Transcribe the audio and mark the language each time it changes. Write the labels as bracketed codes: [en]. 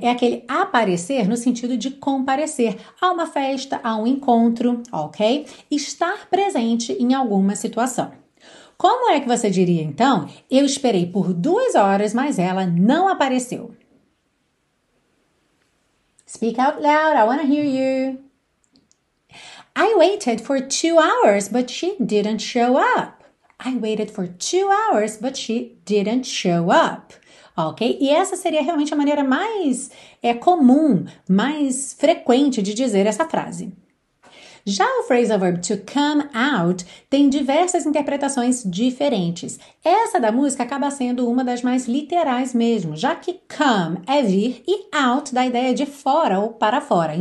[pt] É aquele aparecer no sentido de comparecer a uma festa, a um encontro, ok? Estar presente em alguma situação. Como é que você diria, então, eu esperei por 2 horas, mas ela não apareceu? [en] Speak out loud, I want to hear you. I waited for 2 hours, but she didn't show up. I waited for 2 hours, but she didn't show up. Ok? [pt] E essa seria realmente a maneira mais comum, mais frequente de dizer essa frase. Já o phrasal verb to come out tem diversas interpretações diferentes. Essa da música acaba sendo uma das mais literais mesmo, já que come é vir e out dá a ideia de fora ou para fora.